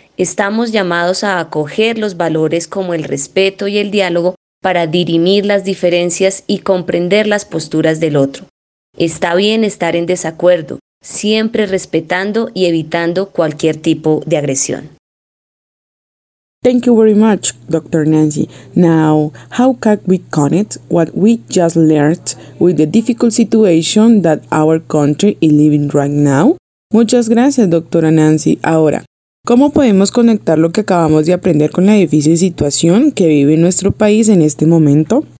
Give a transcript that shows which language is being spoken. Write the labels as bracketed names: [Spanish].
[Spanish] Estamos llamados a acoger los valores como el respeto y el diálogo para dirimir las diferencias y comprender las posturas del otro. Está bien estar en desacuerdo, siempre respetando y evitando cualquier tipo de agresión. [English] Thank you very much, Dr. Nancy. Now, how can we connect what we just learned with the difficult situation that our country is living right now? [Spanish] Muchas gracias, Dr. Nancy. Ahora, ¿cómo podemos conectar lo que acabamos de aprender con la difícil situación que vive nuestro país en este momento?